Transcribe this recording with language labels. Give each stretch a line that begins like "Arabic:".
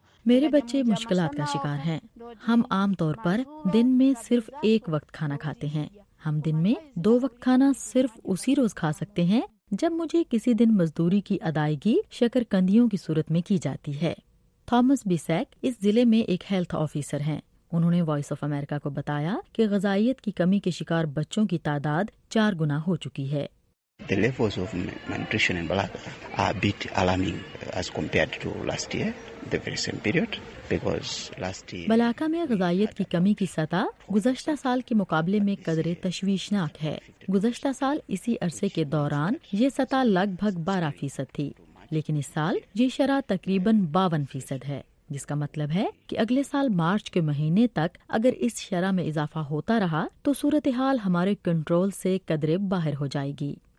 Urdu: میرے بچے مشکلات کا شکار ہیں۔ ہم عام طور پر دن میں صرف ایک وقت کھانا کھاتے ہیں۔ ہم دن میں 2 وقت کھانا صرف اسی روز کھا سکتے ہیں جب مجھے کسی دن مزدوری کی ادائیگی شکر کندیوں کی صورت میں کی جاتی ہے۔ تھامس بیسیک اس ضلع میں ایک ہیلتھ آفیسر ہیں۔ انہوں نے وائس آف امریکہ کو بتایا کہ غذائیت کی کمی کے شکار بچوں کی تعداد 4 گنا ہو چکی ہے۔
English: The levels of malnutrition in Balaka are a bit alarming as compared to last year, the very same period, because last year
Urdu: بلاکا میں غذائیت کی کمی کی سطح گزشتہ سال کے مقابلے میں قدرے تشویشناک ہے۔ گزشتہ سال اسی عرصے کے دوران یہ سطح لگ بھگ 12% تھی، لیکن اس سال یہ شرح تقریباً 52% ہے، جس کا مطلب ہے کہ اگلے سال مارچ کے مہینے تک اگر اس شرح میں اضافہ ہوتا رہا تو صورتحال ہمارے کنٹرول سے قدرے باہر ہو جائے گی۔